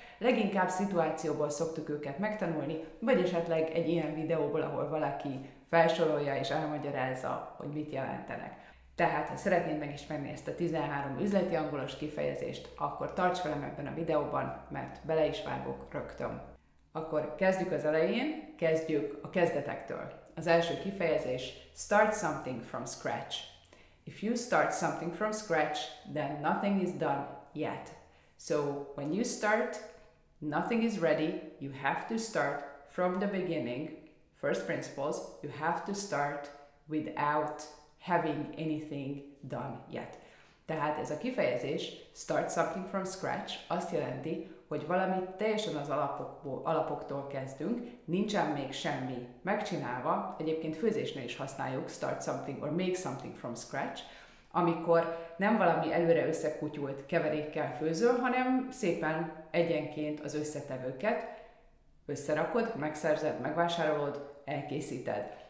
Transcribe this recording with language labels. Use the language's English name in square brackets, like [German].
[Hungarian] Leginkább szituációból szoktuk őket megtanulni, vagy esetleg egy ilyen videóból, ahol valaki felsorolja és elmagyarázza, hogy mit jelentenek. Tehát, ha szeretnéd megismerni ezt a 13 üzleti angolos kifejezést, akkor tarts velem ebben a videóban, mert bele is vágok rögtön. Akkor kezdjük az elején, kezdjük a kezdetektől. Az első kifejezés, [English] start something from scratch. If you start something from scratch, then nothing is done yet. So, when you start, nothing is ready, you have to start from the beginning. First principles, you have to start without having anything done yet. [Hungarian] Tehát ez a kifejezés, [English] start something from scratch, [Hungarian] azt jelenti, hogy valamit teljesen az alapoktól kezdünk, nincsen még semmi megcsinálva, egyébként főzésnél is használjuk [English] start something or make something from scratch, [Hungarian] amikor nem valami előre összekutyult keverékkel főzöl, hanem szépen egyenként az összetevőket összerakod, megszerzed, megvásárolod, elkészíted.